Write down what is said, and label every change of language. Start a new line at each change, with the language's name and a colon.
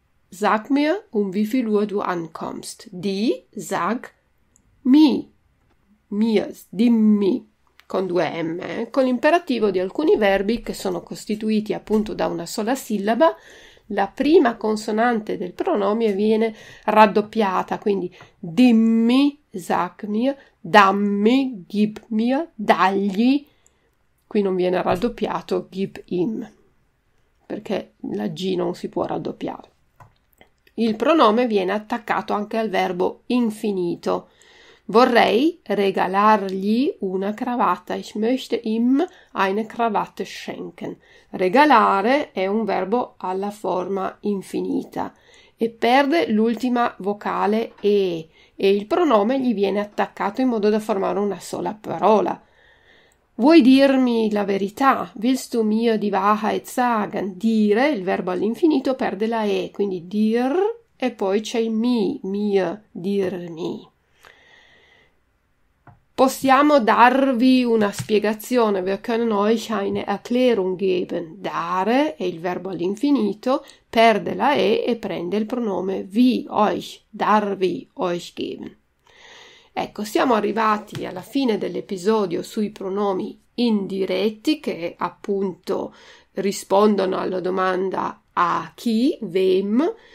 German: Sag mir, um wie viel Uhr du ankommst.
Italian: Di, sag, mi, mir, dimmi. Con due M, con l'imperativo di alcuni verbi che sono costituiti appunto da una sola sillaba, la prima consonante del pronome viene raddoppiata, quindi dimmi,
German: sag mir,
Italian: dammi,
German: gib mir,
Italian: dagli, qui non viene raddoppiato,
German: gib ihm,
Italian: perché la G non si può raddoppiare. Il pronome viene attaccato anche al verbo infinito. Vorrei regalargli una cravatta.
German: Ich möchte ihm eine Krawatte schenken.
Italian: Regalare è un verbo alla forma infinita e perde l'ultima vocale e il pronome gli viene attaccato in modo da formare una sola parola. Vuoi dirmi la verità?
German: Willst du mir die Wahrheit sagen?
Italian: Dire, il verbo all'infinito, perde la e, quindi dir e poi c'è il mi, mir, dirmi. Possiamo darvi una spiegazione,
German: wir können euch eine Erklärung geben.
Italian: Dare è il verbo all'infinito, perde la e prende il pronome vi, euch, darvi,
German: euch geben.
Italian: Ecco, siamo arrivati alla fine dell'episodio sui pronomi indiretti che appunto rispondono alla domanda a chi, wem.